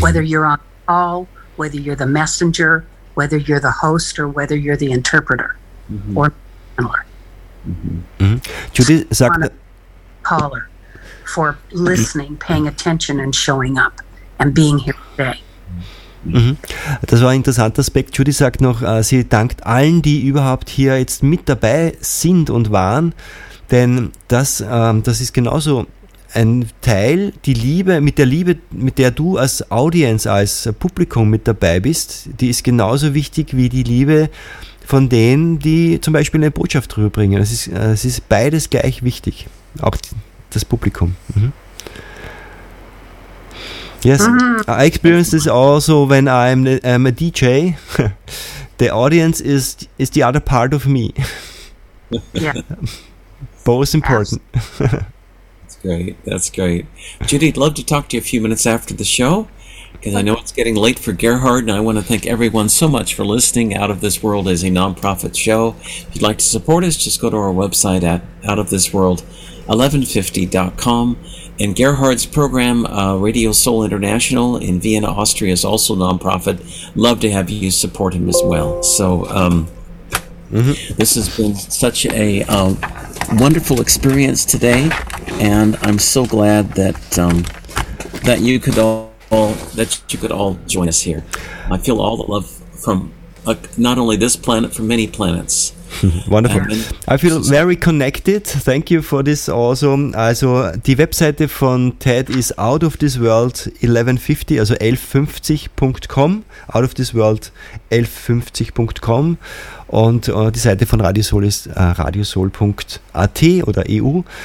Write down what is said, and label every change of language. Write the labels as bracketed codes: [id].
[en] Whether you're on the call, whether you're the messenger, whether you're the host, or whether you're the interpreter, mm-hmm. or the handler. Caller. For listening, paying attention and showing up and being here today. Mhm. [de] Das war ein interessanter Aspekt. Judy sagt noch, sie dankt allen, die überhaupt hier jetzt mit dabei sind und waren, denn das ist genauso ein Teil, die Liebe, mit der du als Audience, als Publikum mit dabei bist, die ist genauso wichtig wie die Liebe von denen, die zum Beispiel eine Botschaft rüberbringen. Es ist beides gleich wichtig. Auch das Publikum. Mm-hmm. [en] Yes, mm-hmm. I experience this also when I'm a DJ. The audience is the other part of me. Yeah. Both important. That's great. Judy, I'd love to talk to you a few minutes after the show, because I know it's getting late for Gerhard, and I want to thank everyone so much for listening. Out of This World is a nonprofit show. If you'd like to support us, just go to our website at outofthisworld1150.com. And Gerhard's program, Radio Soul International in Vienna, Austria, is also nonprofit. Love to have you support him as well. So this has been such a wonderful experience today, and I'm so glad that you could all all that you could all join us here. I feel all the love from not only this planet, from many planets. Wonderful. I feel very connected. Thank you for this also. [de] Also, die Webseite von TED ist outofthisworld1150.com. Outofthisworld1150.com. Und die Seite von Radio Soul ist radiosoul.at oder EU.